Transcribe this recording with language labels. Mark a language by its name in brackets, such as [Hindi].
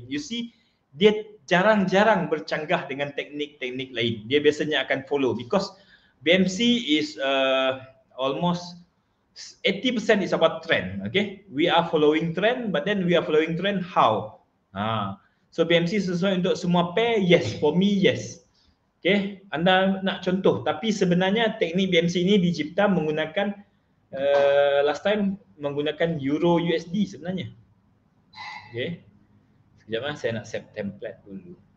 [Malay] You see dia jarang-jarang bercanggah dengan teknik-teknik lain. Dia biasanya akan [English] follow because BMC is almost 80% is about trend, okay? We are following trend, but then we are following trend how? So BMC [Malay] sesuai untuk semua [English] pair, yes. For me, yes. [Malay] Okay, anda nak contoh, tapi sebenarnya teknik BMC ini dicipta menggunakan [English] last time [Malay] menggunakan Euro USD sebenarnya. Okay, sekejap lah, saya nak set template dulu.